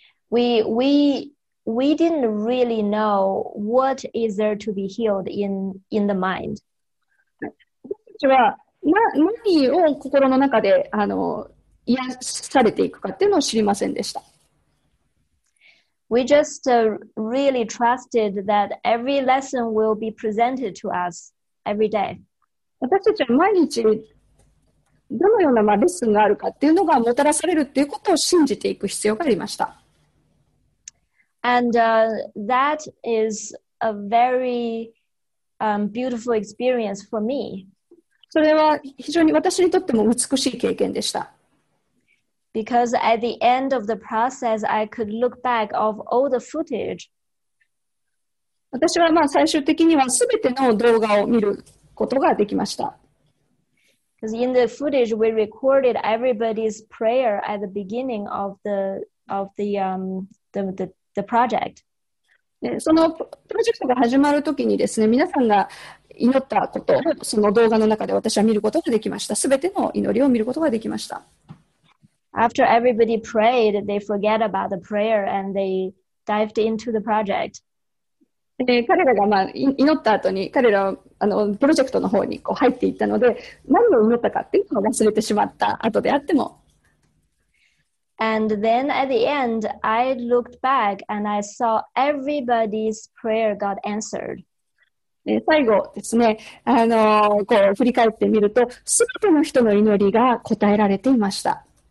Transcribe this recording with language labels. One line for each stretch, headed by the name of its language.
English: We didn't really know what is there to be healed in the mind.
Japanese: 私たちは何を心の中で癒されていくかっていうのを知りませんでした。
English: We just really trusted that every lesson will be presented to us every day.
Japanese: 私たちは毎日どのようなレッスンがあるかっていうのがもたらされるっていうことを信じていく必要がありました。
English: And that is a very beautiful experience for me.
Japanese: それは非常に私にとっても美しい経験でした。
English: Because at the end of the process, I could look back of all the footage.
Japanese: 私はまあ最終的には全ての動画を見ることができました。
English: Because in the footage, we recorded everybody's prayer at the beginning of the project.
Japanese: そのプロジェクトが始まるときにですね、皆さんが祈ったことをその動画の中で私は見ることができました。すべての祈りを見ることができました。
English: After everybody prayed, they forget about the prayer and they dived into the project.
Japanese: 彼らが祈った後に彼らはプロジェクトの方にこう入っていったので、何を祈ったかっていうのを忘れてしまった後であっても、
English: And then at the end, I looked back and I saw everybody's prayer got answered.
Japanese: 最後ですね、こう振り返ってみると、すべての人の祈りが答えられていました。